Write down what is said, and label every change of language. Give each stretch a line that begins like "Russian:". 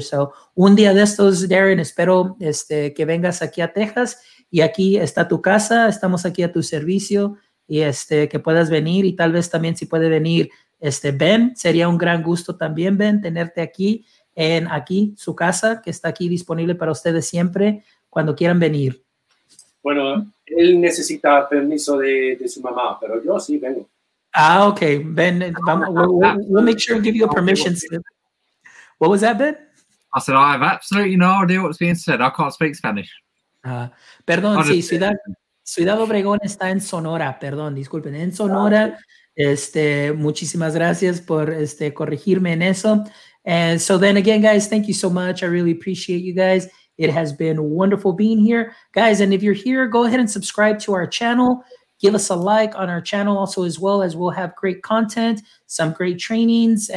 Spanish: So un día de estos, Darren, espero que vengas aquí a Texas, y aquí está tu casa, estamos aquí a tu servicio, y que puedas venir, y tal vez también si puede venir Ben, sería un gran gusto también, Ben, tenerte aquí en aquí su casa, que está aquí disponible para ustedes siempre cuando quieran venir. Bueno, él necesita permiso de su mamá, pero yo sí vengo.
English: Ah, okay, Ben, we'll make sure and give you a permission slip. What was that, Ben? I said, I have absolutely no idea what's being said. I can't speak Spanish.
Spanish: Perdón, sí, Ciudad Obregón está en Sonora, perdón, disculpen, en Sonora. Muchísimas gracias por corregirme en eso.
English: And so then again, guys, thank you so much. I really appreciate you guys. It has been wonderful being here. Guys, and if you're here, go ahead and subscribe to our channel. Give us a like on our channel also, as well as we'll have great content, some great trainings.